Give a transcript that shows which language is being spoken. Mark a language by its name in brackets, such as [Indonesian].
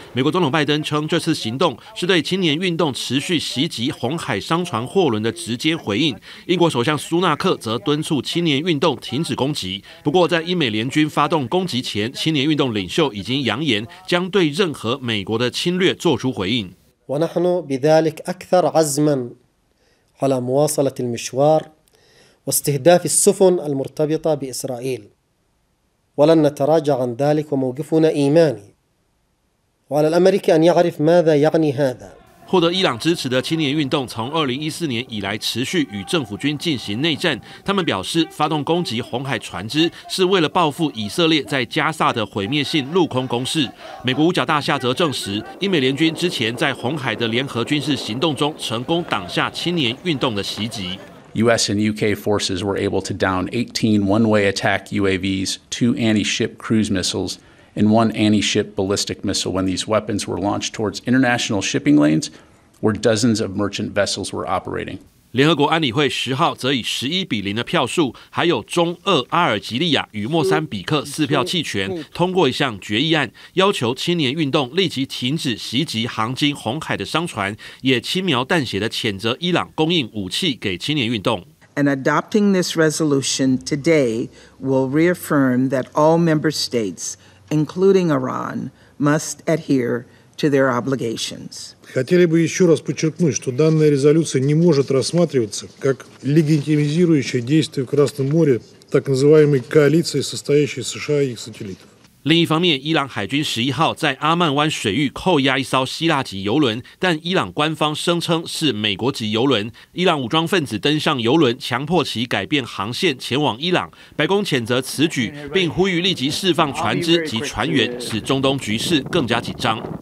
[Chinese] 美国总统拜登称，这次行动是对青年运动持续袭击红海商船货轮的直接回应。英国首相苏纳克则敦促青年运动停止攻击。不过，在英美联军发动攻击前，青年运动领袖已经扬言将对任何美国的侵略做出回应。 [Arabic] ونحن بذلك أكثر عزماً على مواصلة المشوار واستهداف السفن المرتبطة بإسرائيل ولن نتراجع عن ذلك وموقفنا إيماني وعلى الأمريكي أن يعرف ماذا يعني هذا。 [Chinese] 获得伊朗支持的青年运动从2014年以来持续与政府军进行内战，他们表示发动攻击红海船只是为了报复以色列在加萨的毁灭性陆空攻势。美国五角大厦则证实，英美联军之前在红海的联合军事行动中成功挡下青年运动的袭击。 [English] US and UK forces were able to down 18 one-way attack UAVs, 2 anti-ship cruise missilesand 1 anti-ship ballistic missile when these weapons were launched towards international shipping lanes where dozens of merchant vessels were operating. [Chinese] 联合国安理会10号则以11-0的票数，还有中俄、阿尔及利亚与莫桑比克4票弃权，通过一项决议案，要求青年运动立即停止袭击航经红海的商船，也轻描淡写的谴责伊朗供应武器给青年运动。 [English] And adopting this resolution today will reaffirm that all member states, including Iran, must adhere to their obligations. [Russian] Хотели бы еще раз подчеркнуть, что данная резолюция не может рассматриваться как легитимизирующее действие в Красном море так называемой коалиции, состоящей из США и их сателлитов. [Chinese] 另一方面，伊朗海军11号在阿曼湾水域扣押一艘希腊籍邮轮，但伊朗官方声称是美国籍邮轮。伊朗武装分子登上邮轮，强迫其改变航线前往伊朗。白宫谴责此举，并呼吁立即释放船只及船员，使中东局势更加紧张。